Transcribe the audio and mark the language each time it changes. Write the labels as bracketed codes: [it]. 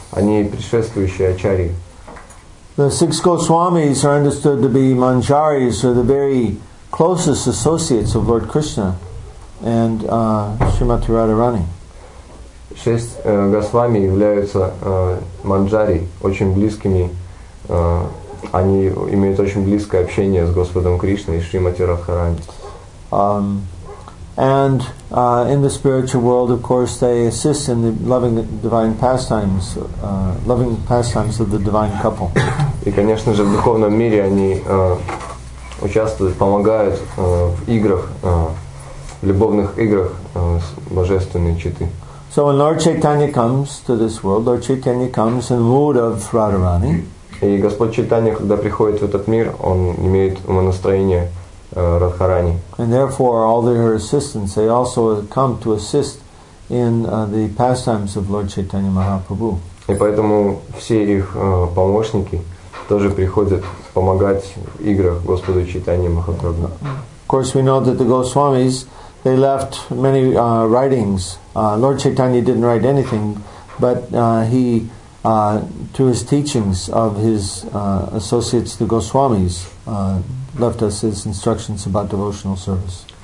[ru] Они предшествующие ачарьи. [en] The six Goswamis are understood to be Manjaris, or the very closest associates of Lord Krishna and Srimati Radharani. [ru] Шесть Госвами являются Манджари, очень близкими. Они имеют очень близкое общение с Господом Кришной и Шримати Радхарани. [en] And in the spiritual world, of course, they assist in the loving divine pastimes, loving pastimes of the divine couple. [ru] И, конечно же, в духовном мире они участвуют, помогают в играх, в любовных играх с божественной читы. [en] So when Lord Chaitanya comes to this world, Lord Chaitanya comes in mood of Radharani. [ru] И Господь Чайтанья, когда приходит в этот мир, он имеет умонастроение Радхарани. [en] And therefore, all their assistants, they also come to assist in the pastimes of Lord Chaitanya Mahaprabhu. [ru] И поэтому все их помощники тоже приходят помогать в играх Господу Чайтанья Махапрабху. [en] Of course, we know that the Goswamis, they left many writings. Lord Chaitanya didn't write anything, but he... to his teachings of his associates, the Goswamis, left us his instructions about devotional service.